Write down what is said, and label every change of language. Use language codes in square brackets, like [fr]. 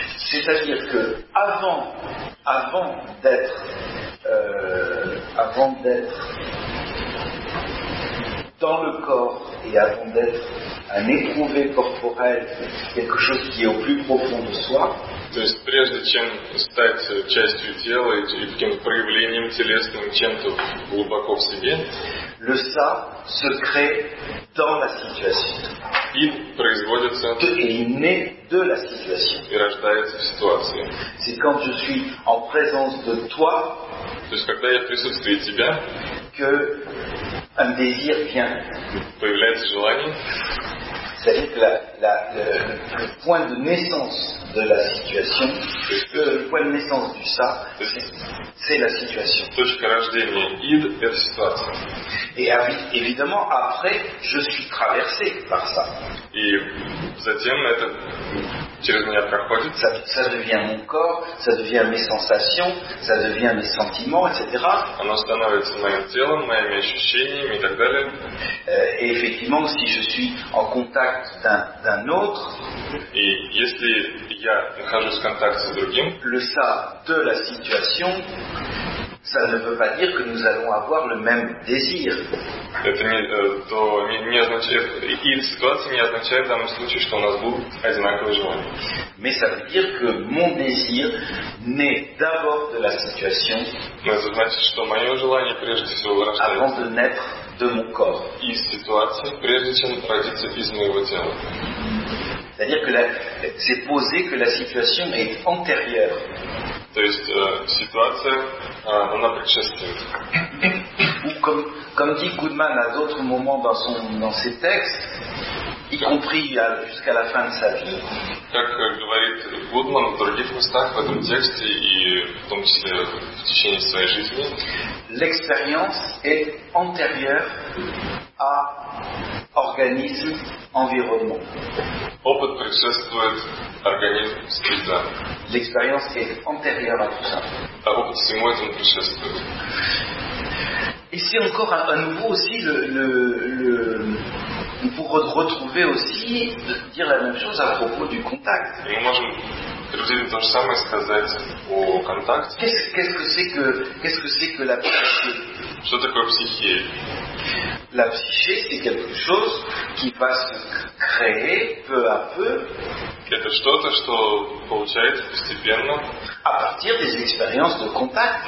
[fr] C'est-à-dire que avant d'être dans le corps et avant d'être un éprouvé corporel, quelque chose qui est au plus profond de soi. [ru] То есть прежде чем стать частью тела и каким-то проявлением телесным, чем-то глубоко в себе, [fr] le ça se crée dans la situation. [ru] Il производится [fr] et il naît de la situation. [ru] И рождается в ситуации. [fr] C'est quand je suis en présence de toi. [ru] То есть когда я в присутствии тебя. [fr] Que un désir vient. [ru] Появляется желание. [fr] C'est-à-dire que le point de naissance de la situation, le point de naissance du ça, c'est la situation. [ru] Точка рождения ид – это ситуация. [fr] Et évidemment, après, je suis traversé par ça. [ru] И затем это через меня проходит. [fr] Ça, ça devient mon corps, ça devient mes sensations, ça devient mes sentiments, etc. [ru] Оно становится моим телом, моими ощущениями и так далее. [fr] Et effectivement, si je suis en contact d'un, d'un autre, [ru] et если я нахожусь в контакте с другим, [fr] le ça de la situation, ça ne veut pas dire que nous allons avoir le même désir. [ru] Это не, то, не, не означает, и ситуация не означает в данном случае, что у нас будут одинаковые желания. [fr] Mais ça veut dire que mon désir naît d'abord de la situation. [ru] Но это значит, что мое желание прежде всего рождается. [fr] Avant de naître de mon corps. [ru] Из ситуации, прежде чем родиться из моего тела. [fr] C'est-à-dire que la, c'est posé que la situation est antérieure. [ru] То есть ситуация, она предшествует. [fr] Ou comme, comme dit Goodman à d'autres moments dans, son, dans ses textes, y compris à, jusqu'à la fin de sa vie. [ru] Как говорит Гудман в других местах в этом тексте и в том числе в течение своей жизни. [fr] L'expérience est antérieure à organisme, environnement. [ru] Опыт предшествует организму, среда. [fr] L'expérience est antérieure à tout ça. [ru] А опыт всему этому предшествует. [fr] Ici encore à nouveau aussi le on pourrait retrouver aussi de dire la même chose à propos du contact. Et moi je voudrais dire ça mais [ru] сказать о контакте. [fr] Qu'est-ce que c'est que la psyché? [ru] Что такое психия? [fr] La psyché c'est quelque chose qui va se créer peu à peu. [ru] Это что-то, что получается постепенно. [fr] À partir des expériences de contact.